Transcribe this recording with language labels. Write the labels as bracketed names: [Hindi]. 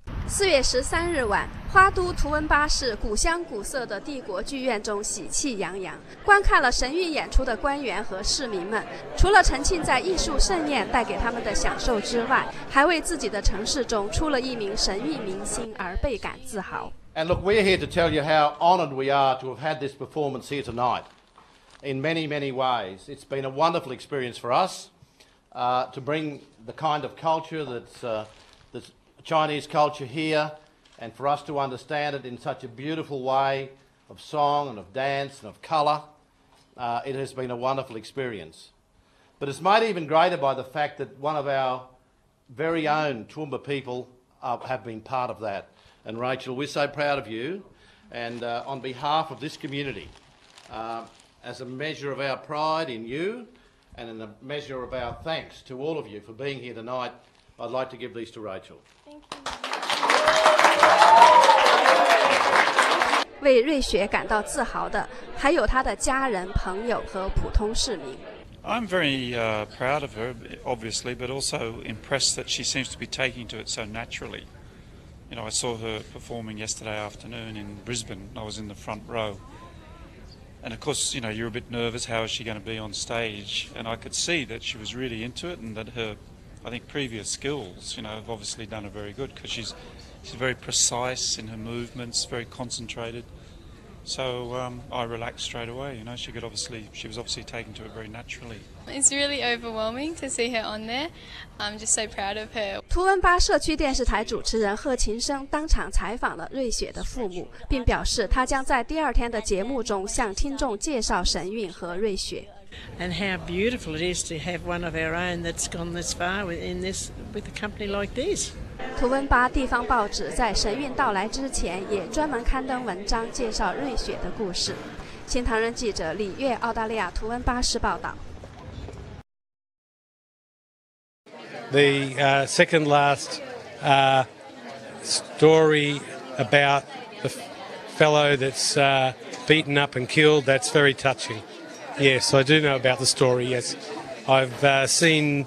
[Chinese] 4月13日晚，花都图文巴士古香古色的帝国剧院中喜气洋洋，观看了神韵演出的官员和市民们，除了沉浸在艺术盛宴带给他们的享受之外，还为自己的城市中出了一名神韵明星而倍感自豪。 [English] And look, we're here to tell you how honored we are to have had this performance here tonight. In many, many ways, it's been a wonderful experience for us, to bring the kind of culture that's Chinese culture here, and for us to understand it in such a beautiful way of song and of dance and of color, it has been a wonderful experience. But it's made even greater by the fact that one of our very own Toowoomba people have been part of that. And Rachel, we're so proud of you, and on behalf of this community, as a measure of our pride in you and in a measure of our thanks to all of you for being here tonight, I'd like to give these to Rachel. [Chinese] 为瑞雪感到自豪的还有她的家人、朋友和普通市民。 [English] I'm very proud of her, obviously, but also impressed that she seems to be taking to it so naturally. You know, I saw her performing yesterday afternoon in Brisbane. I was in the front row. And of course, you know, you're a bit nervous, how is she going to be on stage? And I could see that she was really into it and that her, I think, previous skills, you know, have obviously done her very good because She's very precise in her movements, very concentrated. So I relaxed straight away. You know, she was obviously taken to it very naturally. It's really overwhelming to see her on there. I'm just so proud of her. [Chinese] 图文巴社区电视台主持人贺琴生当场采访了瑞雪的父母，并表示她将在第二天的节目中向听众介绍神韵和瑞雪。 [English] And how beautiful it is to have one of our own that's gone this far with a company like this. [Chinese] 图文巴地方报纸在神韵到来之前也专门刊登文章介绍瑞雪的故事。新唐人记者李月，澳大利亚图文巴士报道。 [English] The second last story about the fellow that's beaten up and killed, that's very touching. Yes, I do know about the story, yes. I've seen...